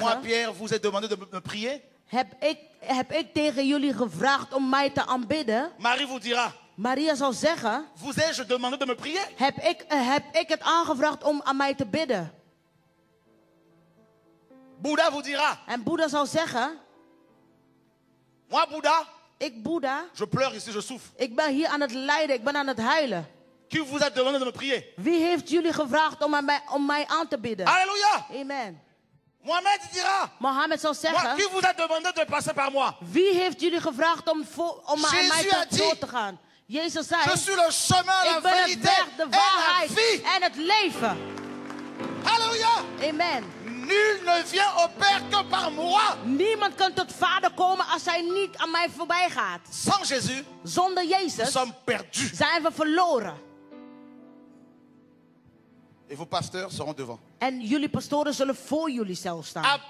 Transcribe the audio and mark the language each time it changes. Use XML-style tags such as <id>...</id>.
<fr>Moi Pierre, vous êtes demandé de me prier?</fr> <nl>Heb ik tegen jullie gevraagd om mij te aanbidden?</nl> <fr>Marie vous dira.</fr> <nl>Maria zal zeggen.</nl> <fr>Vous ai-je demandé de me prier?</fr> <nl>Heb ik het aangevraagd om aan mij te bidden?</nl> <fr>Bouddha vous dira.</fr> <nl>En Boeddha zal zeggen.</nl> <fr>Moi Bouddha.</fr> <nl>Ik Boeddha.</nl> <fr>Je pleure ici, je souffre.</fr> <nl>Ik ben hier aan het lijden, ik ben aan het huilen.</nl> <fr>Qui vous a demandé de me prier?</fr> <nl>Wie heeft jullie gevraagd om mij aan te bidden? Alléluia. Amen.</nl> <fr>Mohammed dira.</fr> <nl>Mohammed zal zeggen.</nl> <fr>Moi, qui vous a demandé de passer par moi?</fr> <nl>Wie heeft jullie gevraagd om aan mij door te gaan? Jezus zei.</nl> <fr>Je suis le chemin, la vérité,</fr> <nl>ik ben de weg, de waarheid en het leven. Alléluia. Amen.</nl> <fr>Nul ne vient au Père que par moi.</fr> <nl>Niemand kan tot Vader komen als hij niet aan mij voorbij gaat.</nl> <fr>Sans Jésus,</fr> <nl>zonder Jezus.</nl> <fr>Nous sommes perdus.</fr> <nl>Zijn we verloren.</nl> <fr>Et vos pasteurs seront devant.</fr> <nl>En jullie pastoren zullen voor jullie zelf staan.</nl>